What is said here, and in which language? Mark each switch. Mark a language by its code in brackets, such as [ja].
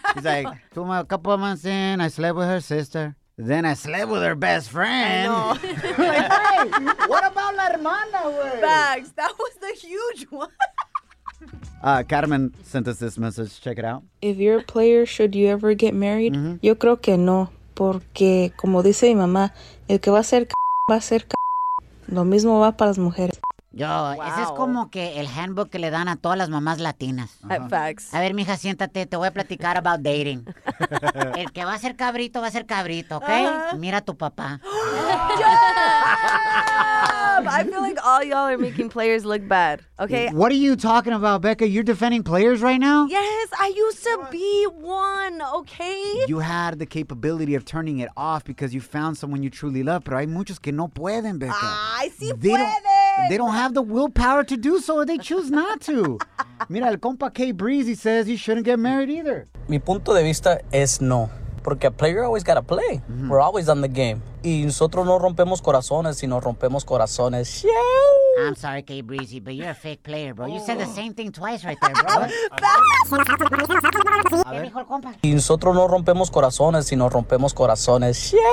[en] He's like, a couple of months in, I slept with her sister. Then I slept with her best friend. Like, hey, what about [es] la hermana, güey? [en] Bags, that was the huge one. Carmen sent us this message. Check it out. If you're a player, should you ever get married? Mm-hmm. [es] Yo creo que no. Porque, como dice mi mamá, el que va a ser c*** va a ser c***. Lo mismo va para las mujeres. [en] Yo, wow. [es] Ese es como que el handbook que le dan a todas las mamás latinas. [en] Facts. [es] A ver, mija, siéntate, te voy a platicar [en] about dating. [es] El que va a ser cabrito, ¿ok? Mira a tu papá. [en] I feel like all y'all are making players look bad, okay? What are you talking about, Becca? You're defending players right now? Yes, I used to be one, okay? You had the capability of turning it off because you found someone you truly love, [es] pero hay muchos que no pueden, [en] Becca. [es] Ah, sí pueden! [en] They don't have the willpower to do so, or they choose not to. [es] Mira, el compa [en] K Breezy says you shouldn't get married either. [es] Mi punto de vista es no. Porque [en] a player always gotta play. Mm-hmm. We're always on the game. [es] Y nosotros no rompemos corazones, sino rompemos corazones. [en] I'm sorry, K Breezy, but you're a fake player, bro. You said the same thing twice right there, bro. [es] Y nosotros no rompemos corazones, sino rompemos corazones.